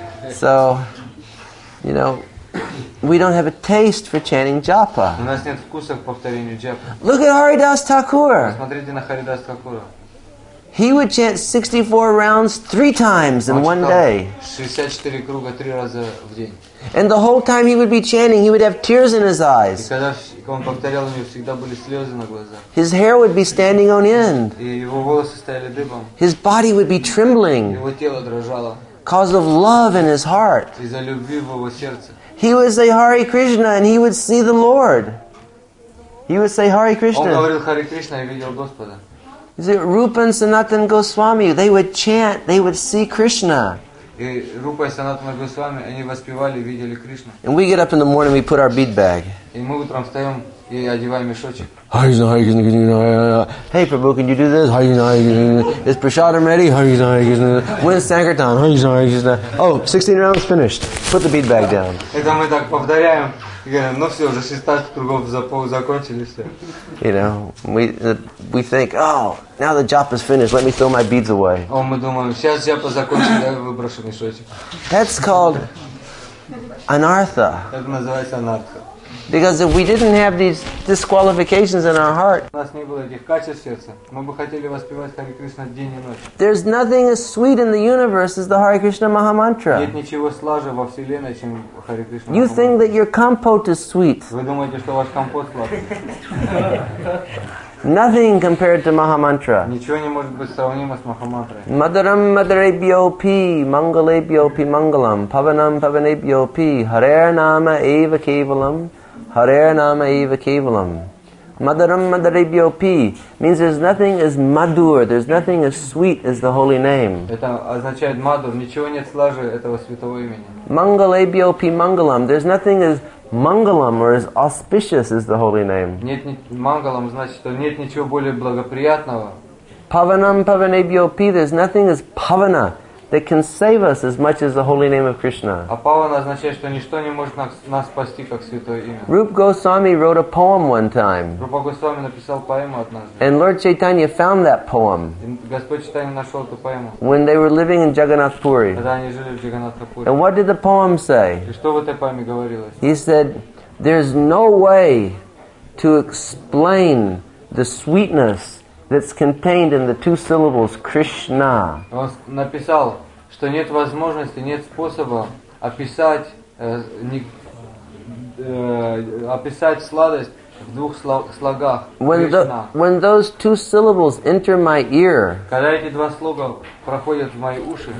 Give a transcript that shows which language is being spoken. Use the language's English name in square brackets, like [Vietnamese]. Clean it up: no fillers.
[English] So, you know, we don't have a taste for chanting japa. [Russian] У нас нет вкуса к повторению джапы. [English] Look at Haridas Thakur. [Russian] Посмотрите на Харидас Такура. [English] He would chant 64 rounds three times in one day. [Russian] 64 круга три раза в день. [English] And the whole time he would be chanting, he would have tears in his eyes. [Russian] И когда он повторял, у него всегда были слезы на глазах. [English] His hair would be standing on end. [Russian] И его волосы стояли дыбом. [English] His body would be trembling. [Russian] Его тело дрожало. [English] Cause of love in his heart. [Russian] Из-за любви в его сердце. [English] He would say Hare Krishna and he would see the Lord. He would say Hare Krishna. [Russian] Он говорил Hare Krishna и видел Господа. [English] Is it Rupa and Sanatana Goswami? They would chant, they would see Krishna. [Russian] И Рупа и Санатана Госвами, они воспевали, видели Кришну. [English] And we get up in the morning, we put our bead bag. И мы утром встаем и одеваем мешочек. Hey Prabhu, can you do this? Is Prashadam ready? When's Sankirtan? Oh, 16 rounds finished. Put the bead bag down. [Russian] Это мы так повторяем. Ну все, уже 16 кругов за пол закончились. [English] You know, we think, oh, now the japa is finished. Let me throw my beads away. [Russian] Oh, мы думаем, сейчас japa закончен, я выброшу мешочек. [English] That's called anartha. [Russian] Это называется анартха. [English] Because if we didn't have these disqualifications in our heart, [Russian] у нас не было этих качеств сердца, мы бы хотели воспевать Харе Кришна день и ночь. [English] There's nothing as sweet in the universe as the Hare Krishna Mahamantra. [Russian] Нет ничего слаже во вселенной, чем Харе Кришна. [English] You think that your compote is sweet. [Russian] Вы думаете, что ваш компот сладкий? [English] Nothing compared to Mahamantra. [Russian] Ничего не может быть сравнимо с Mahamantrой. [Sanskrit] Madaram madarebhyo pi, mangalebhyo pi mangalam, pavanam pavanebhyo pi, harer nama eva kevalam, harer nama eva kevalam. Madaram madarebhyo pi [English] means there's nothing as madur, there's nothing as sweet as the holy name. [Russian] Это означает madur, ничего нет слаже этого святого имени. [Sanskrit] Mangalebhyo pi mangalam, [English] there's nothing as mangalam or as auspicious as the holy name. [Russian] Нет, мангалам значит, что нет ничего более благоприятного. [Sanskrit] Pavanam pavanebhyo pi, [English] there's nothing as pavana that can save us as much as the holy name of Krishna. [Russian] А павана означает, что ничто не может нас спасти, как святое имя. [English] Rupa Goswami wrote a poem one time. [Russian] Rupa Goswami написал поэму однажды. [English] And Lord Chaitanya found that poem. [Russian] Господь Чайтанья нашел эту поэму. [English] When they were living in Jagannath Puri. [Russian] Когда они жили в Jagannath Puri. [English] And what did the poem say? [Russian] И что в этой поэме говорилось? [English] He said, "There's no way to explain the sweetness that's contained in the two syllables Krishna." [Russian] Он написал, что нет возможности, нет способа описать сладость в двух слогах Krishna. [English] When those two syllables enter my ear, [Russian] когда эти два слога проходят в мои уши,